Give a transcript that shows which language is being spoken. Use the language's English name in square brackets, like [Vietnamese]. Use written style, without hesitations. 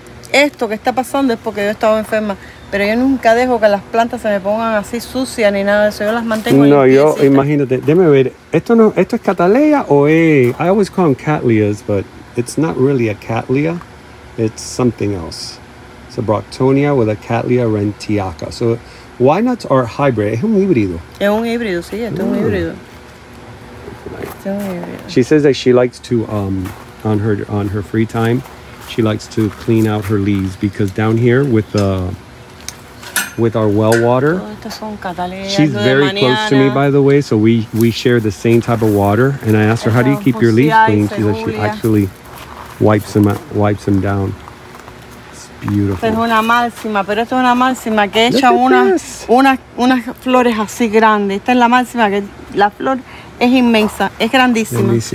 [Spanish] Esto que está pasando es porque yo estaba enferma. Pero yo nunca dejo que las plantas se me pongan así sucias ni nada de eso. Yo las mantengo limpias. No, yo, imagínate. Déjame ver. ¿Esto no, esto es cataleya o es...? [English] I always call them cattleyas, but it's not really a cattleya. It's something else. It's a Brocktonia with a cattleya rentiaca. So, why not our hybrid? [Spanish] Es un híbrido. Es un híbrido, sí. Esto es un híbrido. [English] She says that she likes to... On her free time, she likes to clean out her leaves because down here with our well water, she's very close to me, by the way, so we share the same type of water. And I asked her, how do you keep your leaves clean? She says she actually wipes them down. It's beautiful. [Spanish] Es una máxima, pero esto es una máxima que echa unas flores así grandes. Esta es la máxima que la flor es inmensa, es grandísima.